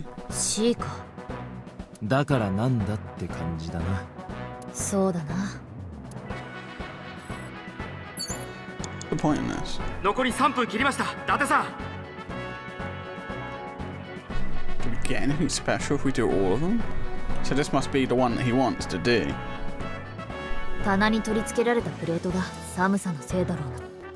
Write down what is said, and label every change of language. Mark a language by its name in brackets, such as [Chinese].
[Japanese] シーコ。だからなんだって感じだな。そうだな。残り3分切りました、伊達さん。 [English] Do we get anything special if we do all of them? So this must be the one that he wants to do. [Japanese] 棚に取り付けられたプレートが寒さのせいだろうな。